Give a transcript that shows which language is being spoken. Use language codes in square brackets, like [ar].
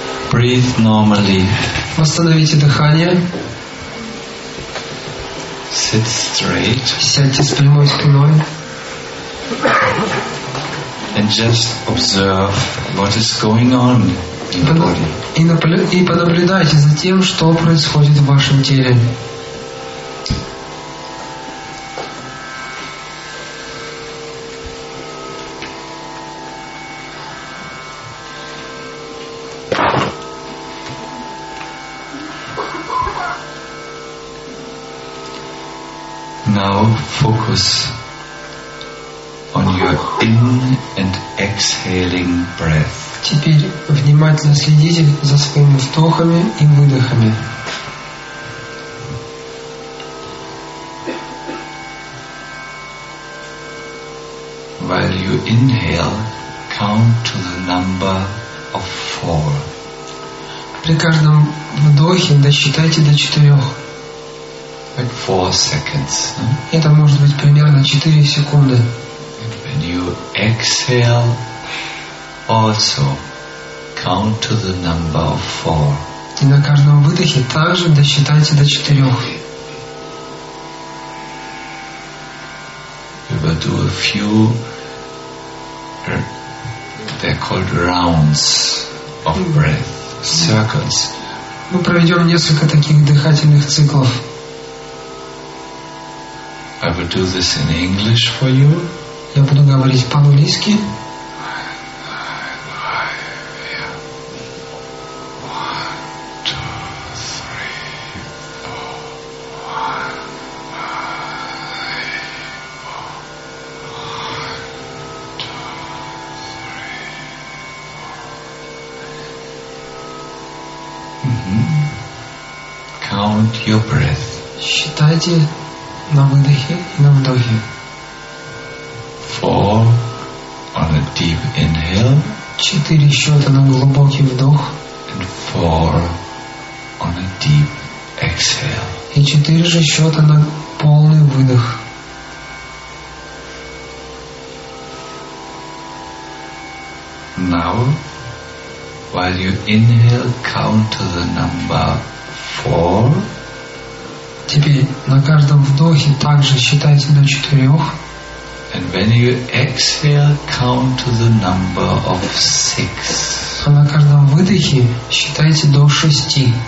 [en] Breathe normally. [ru] Восстановите дыхание. [en] Sit straight. [ru] Сядьте с прямой спиной. [en] And just observe what is going on in the body. [ru] И понаблюдайте за тем, что происходит в вашем теле. [en] Now focus on your in and exhaling breath. [ru] Теперь внимательно следите за своими вдохами и выдохами. [en] While you inhale, count to the number of four. [ru] При каждом вдохе досчитайте до четырех. [en] Like 4 seconds. [ru] Это может быть примерно 4 секунды. [en] And you exhale, also count to the number of 4. [ru] И на каждом выдохе также досчитайте до 4. [en] We will do a few. They're called rounds of breath, circles. [ru] Мы проведем несколько таких дыхательных циклов. [en] I will do this in English for you. [ru] Я буду говорить по-английски. [en] Count your breath. [ru] Считайте на выдохе и на вдохе. [en] 4 on a deep inhale. [ru] 4 счета на глубокий вдох. [en] And 4 on a deep exhale. [ru] И 4 же счета на полный выдох. [en] Now, while you inhale, count to the number 4. [ru] Теперь на каждом вдохе также считайте до 4. [en] And when you exhale, count to the number of 6. [ru] А на каждом выдохе считайте до 6.